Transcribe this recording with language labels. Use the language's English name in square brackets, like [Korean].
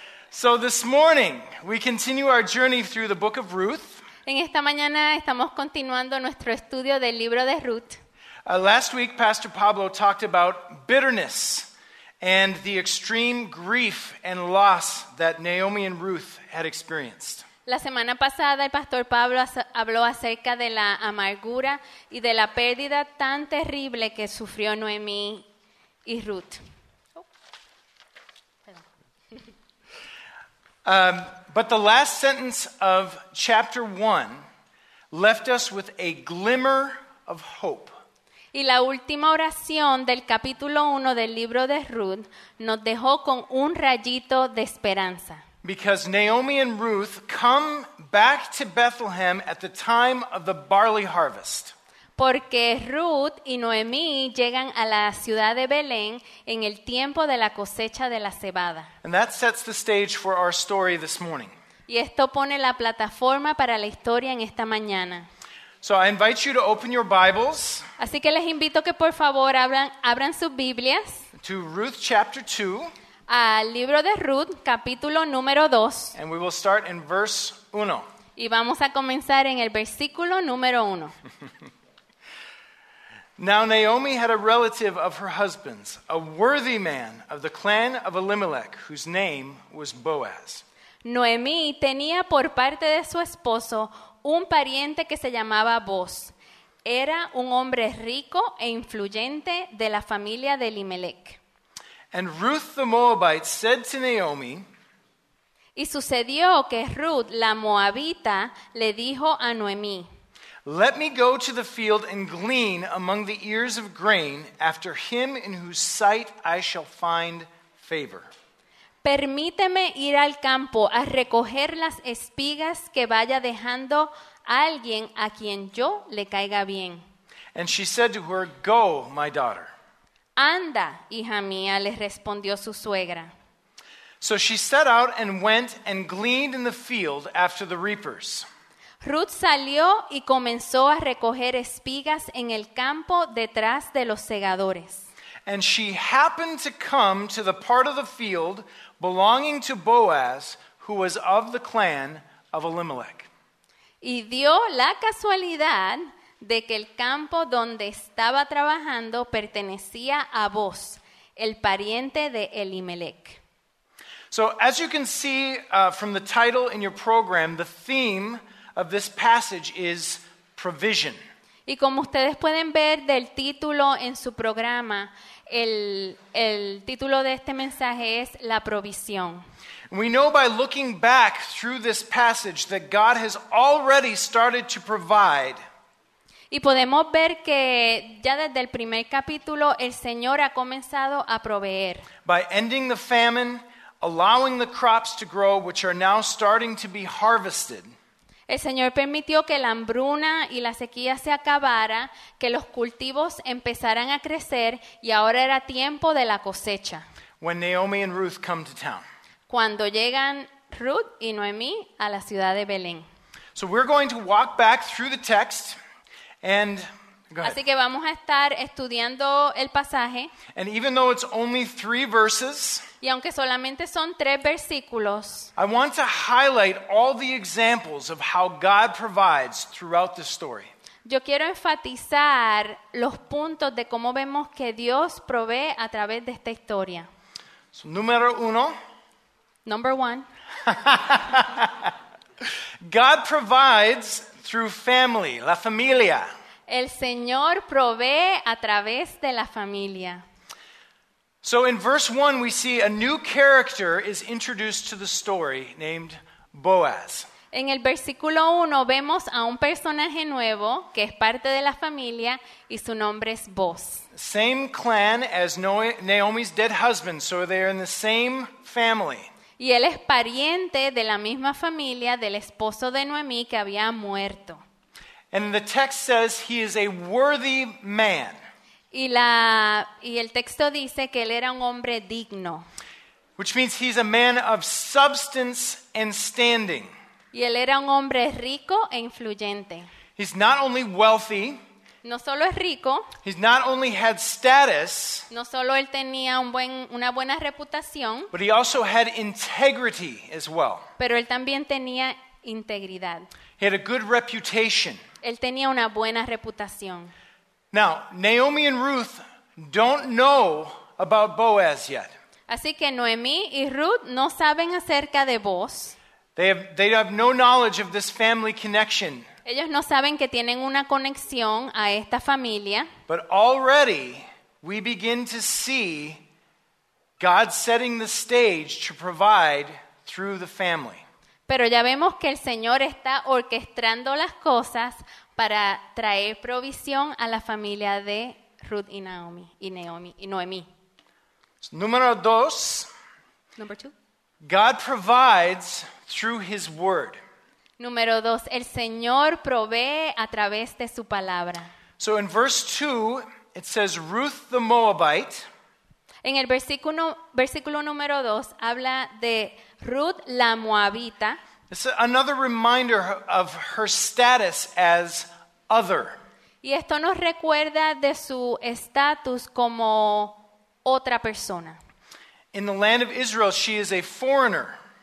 [English] So this morning, we continue our journey through the book of Ruth. [Spanish] En esta mañana estamos continuando nuestro estudio del libro de Ruth. [English] Last week, Pastor Pablo talked about bitterness and the extreme grief and loss that Naomi and Ruth had experienced. [Spanish] La semana pasada, el Pastor Pablo habló acerca de la amargura y de la pérdida tan terrible que sufrió Noemí y Ruth. [English] But the last sentence of chapter 1 left us with a glimmer of hope. [Spanish] Y la última oración del capítulo 1 del libro de Ruth nos dejó con un rayito de esperanza. [English] Because Naomi and Ruth come back to Bethlehem at the time of the barley harvest. [Spanish] Porque Ruth y Noemí llegan a la ciudad de Belén en el tiempo de la cosecha de la cebada. [English] And that sets the stage for our story this morning. [Spanish] Y esto pone la plataforma para la historia en esta mañana. [English] So I invite you to open your Bibles. [Spanish] Así que les invito que por favor abran sus Biblias. [English] To Ruth chapter 2. [Spanish] Al libro de Ruth, capítulo número 2. [English] And we will start in verse 1. [Spanish] Y vamos a comenzar en el versículo número 1. [English] Now Naomi had a relative of her husband's, a worthy man of the clan of Elimelech, whose name was Boaz. [Spanish] Noemi tenía por parte de su esposo un pariente que se llamaba Boaz. Era un hombre rico e influyente de la familia de Elimelech. [English] And Ruth the Moabite said to Naomi, [Spanish] y sucedió que Ruth la Moabita le dijo a Noemi, [English] let me go to the field and glean among the ears of grain after him in whose sight I shall find favor. [Spanish] Permíteme ir al campo a recoger las espigas que vaya dejando a alguien a quien yo le caiga bien. [English] And she said to her, go, my daughter. [Spanish] Anda, hija mía, le respondió su suegra. [English] So she set out and went and gleaned in the field after the reapers. [Spanish] Ruth salió y comenzó a recoger espigas en el campo detrás de los segadores. [English] And she happened to come to the part of the field belonging to Boaz, who was of the clan of Elimelech. [Spanish] Y dio la casualidad de que el campo donde estaba trabajando pertenecía a Boaz, el pariente de Elimelech. [English] So as you can see from the title in your program, the theme of this passage is provision. [Spanish] Y como ustedes pueden ver del título en su programa, el título de este mensaje es la provisión. [English] We know by looking back through this passage that God has already started to provide. [Spanish] Y podemos ver que ya desde el primer capítulo el Señor ha comenzado a proveer. [English] By ending the famine, allowing the crops to grow, which are now starting to be harvested. [Spanish] El Señor permitió que la hambruna y la sequía se acabara, que los cultivos empezaran a crecer y ahora era tiempo de la cosecha. [English] When Naomi and Ruth come to town. [Spanish] cuando llegan Ruth y Noemí a la ciudad de Belén. [English] So we're going to walk back through the text and go ahead. [Spanish] Así que vamos a estar estudiando el pasaje. [English] And even though it's only three verses, [Spanish] y aunque solamente son tres versículos, [English] I want to highlight all the examples of how God provides throughout the story. [Spanish] Yo quiero enfatizar los puntos de cómo vemos que Dios provee a través de esta historia. So, número uno. [English] Number one. God provides through family, [Spanish] la familia. El Señor provee a través de la familia. [English] So in verse 1 we see a new character is introduced to the story named Boaz. [Spanish] En el versículo 1 vemos a un personaje nuevo que es parte de la familia y su nombre es Boaz. [English] Same clan as Naomi's dead husband, so they are in the same family. [Spanish] Y él es pariente de la misma familia del esposo de Noemí que había muerto. [English] And the text says he is a worthy man. [Spanish] Y el texto dice que él era un hombre digno. [English] Which means he's a man of substance and standing. [Spanish] Y él era un hombre rico e influyente. [English] He's not only wealthy. [Spanish] No solo es rico. [English] He's not only had status. [Spanish] No solo él tenía una buena reputación. [English] But he also had integrity as well. [Spanish] Pero él también tenía integridad. [English] He had a good reputation. [Spanish] Él tenía una buena reputación. [English] Now, Naomi and Ruth don't know about Boaz yet. [Spanish] Así que Noemí y Ruth no saben acerca de Boaz. [English] They have no knowledge of this family connection. [Spanish] Ellos no saben que tienen una conexión a esta familia. [English] But already we begin to see God setting the stage to provide through the family. [Spanish] Pero ya vemos que el Señor está orquestrando las cosas para traer provisión a la familia de Ruth y Naomi y Noemí. Número dos. [English] Number two. God provides through His Word. [Spanish] Número dos. El Señor provee a través de su palabra. [English] So in verse 2, it says Ruth the Moabite. [Spanish] En el versículo número 2 habla de Ruth la Moabita. [English] It's another reminder of her status as other. [Spanish] Y esto nos recuerda de su estatus como otra persona. [English] In the land of Israel, she is a foreigner.